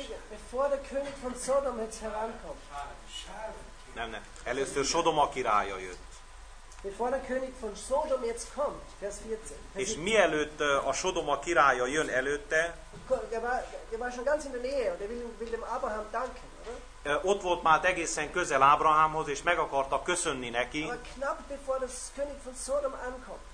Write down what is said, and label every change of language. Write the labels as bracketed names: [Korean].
[German] Bevor der König von Sodom jetzt herankommt. [Hungarian] Először Sodoma királya jött. [German] Bevor der König von Sodom jetzt kommt, vers 14. [Hungarian] És mielőtt a Sodoma királya jön előtte, [German] der war schon ganz in der Nähe, und will dem Abraham danken, oder? [Hungarian] Ott volt már egészen közel Ábrahámhoz, és meg akarta köszönni neki. [German] Aber knapp bevor der König von Sodom ankommt.